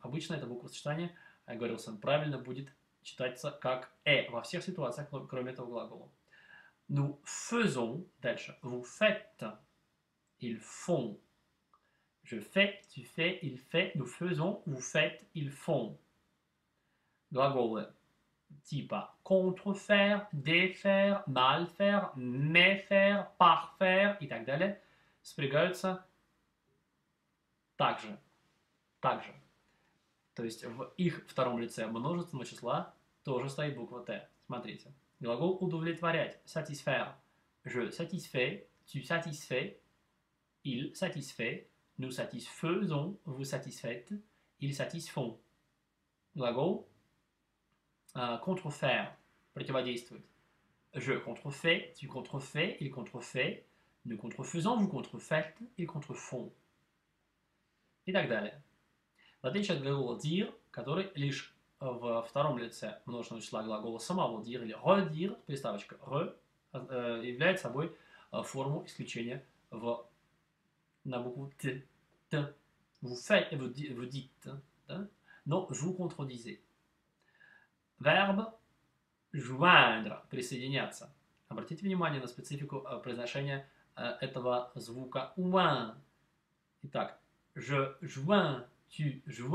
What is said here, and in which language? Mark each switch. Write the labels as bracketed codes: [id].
[ru] Обычно это буквосочетание, я говорил сам, правильно будет читаться как Э во всех ситуациях, кроме этого глагола. Ну, [fr] faisons, [ru] дальше, [fr] vous faites, ils font. Je fais, tu fais, il fait, nous faisons, vous faites, ils font. [ru] Глаголы типа contrefaire, défaire, mal faire, méfaire, parfaire и так далее спрягаются также. Также. То есть в их втором лице множественного числа тоже стоит буква Т. Смотрите. Глагол удовлетворять. Satisfaire. [fr] Je satisfais, tu satisfais, il satisfait. Nous satisfaisons, vous satisfaites, ils satisfont. [ru] Glagol. Contrefaire. Противодействует. [fr] Je contrefais, tu contrefais, il contrefait. Nous contrefaisons, vous contrefaites, ils contrefont. Et [ru] так далее. В отличие от глагола dire, который лишь в втором лице множественного числа глагола самого dire или redire, приставочка re, является собой форму исключения в, на букву t. [fr] Vous faites et vous dites. Hein? Non, vous contredisez. Verbe joindre, присоединяться. [ru] Обратите внимание на специфику произношения этого звука ouin. Итак, [fr] je joins, tu joins.